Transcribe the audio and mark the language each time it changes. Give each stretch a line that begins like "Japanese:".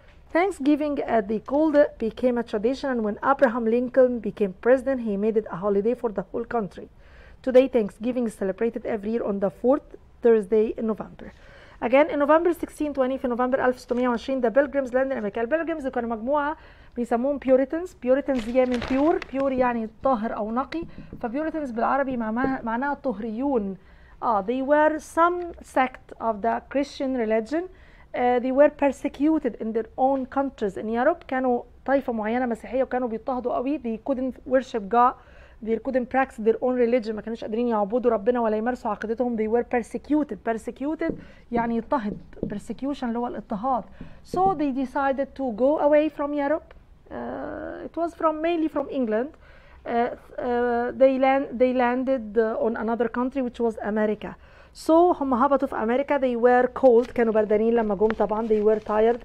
English: Thanksgiving at the cold became a tradition, and when Abraham Lincoln became president, he made it a holiday for the whole country. Today, Thanksgiving is celebrated every year on the fourth Thursday in November. Again, in November 1620,
Arabic: في November 1620,
English: the Pilgrims landed in America.
Arabic: Pilgrims كانوا مجموعة بيسموهم Puritans. Puritans جاية من pure. Pure يعني طاهر أو نقي. فPuritans بالعربي معناها طهريون.
English: They were some sect of the Christian religion. They were persecuted in their own countries in Europe.
Arabic: كانوا طائفة معينة مسيحية وكانوا بيضطهدوا قوي.
English: They couldn't worship God. They couldn't practice their own religion.
Arabic: ما كانوش قادرين يعبدوا ربنا ولا يمارسوا عقيدتهم.
English: They were persecuted. Persecuted
Arabic: يعني اضطهد.
English: Persecution
Arabic: اللي هو الاضطهاد.
English: So they decided to go away from Europe. It was from mainly from England. They landed on another country which was America. So
Arabic: هم هبطوا في أمريكا.
English: They were cold.
Arabic: كانوا بردانين لما جم طبعا.
English: They were tired.